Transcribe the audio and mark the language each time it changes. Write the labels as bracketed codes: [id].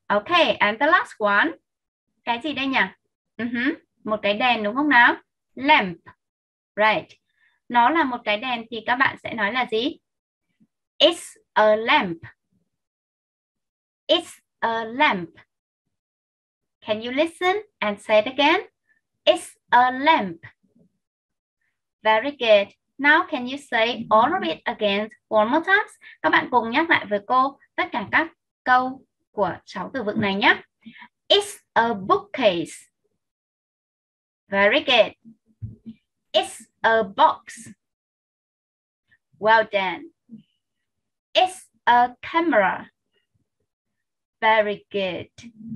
[en] Okay, and the last one. [vi] Cái gì đây nhỉ? Một cái đèn đúng không nào? Lamp. Right. Nó là một cái đèn thì các bạn sẽ nói là gì? [en] It's a lamp. It's a lamp. Can you listen and say it again? It's a lamp. Very good. Now can you say all of it again one more time? [vi] Các bạn cùng nhắc lại với cô tất cả các câu của 6 từ vựng này nhé. [en] It's a bookcase. Very good. It's a box. Well done. It's a camera. Very good.